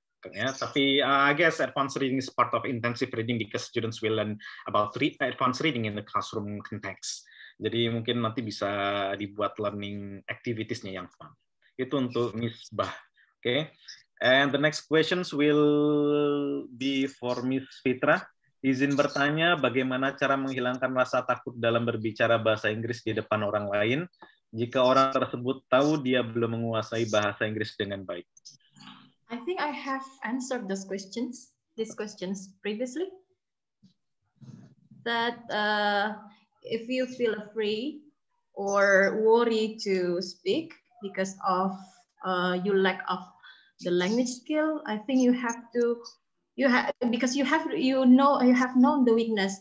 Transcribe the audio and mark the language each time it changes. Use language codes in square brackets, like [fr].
[id] Ya, tapi [en] I guess advanced reading is part of intensive reading because students will learn about advanced reading in the classroom context. [id] Jadi mungkin nanti bisa dibuat learning activities-nya yang fun. Itu untuk [en] Miss Bah. Okay. And the next questions will be for Miss Fitra. [id] Izin bertanya, bagaimana cara menghilangkan rasa takut dalam berbicara bahasa Inggris di depan orang lain jika orang tersebut tahu dia belum menguasai bahasa Inggris dengan baik? [en] I think I have answered those questions, these questions previously. That if you feel afraid or worry to speak because of your lack of the language skill, I think you have to you have known the weakness.